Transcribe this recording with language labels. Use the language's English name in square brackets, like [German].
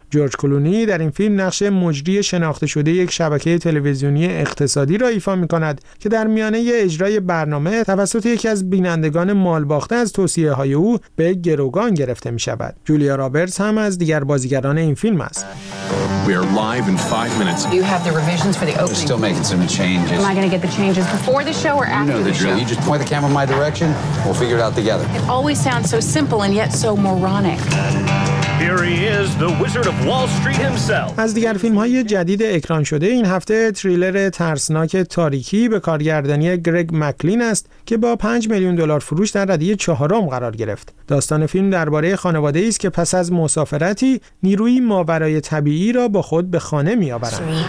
[Persian] جورج کلونی در این فیلم نقش مجری شناخته شده یک شبکه تلویزیونی اقتصادی را ایفا می‌کند که در میانه اجرای برنامه توسط یکی از بینندگان مالباخته از توصیه‌های او به گروگان گرفته می‌شود. جولیا رابرتس هم از دیگر بازیگران این فیلم است. [English] We are live in 5 minutes. Do you have the revisions for the opening? We're still making some changes. Am I going to get the changes before the show or after the show? You know the drill. You just point the camera in my direction. We'll figure it out together. It always sounds so simple and yet so moronic. Here he is, the Wizard of Wall Street himself. [Persian] از دیگر فیلم‌های جدید اکران شده این هفته، تریلر ترسناک تاریکی به کارگردانی گرگ مکلین است که با 5 میلیون دلار فروش در رده چهارم قرار گرفت. داستان فیلم درباره خانواده ای است که پس از مسافرتی نیروی ماورای طبیعی را با خود به خانه می آورند.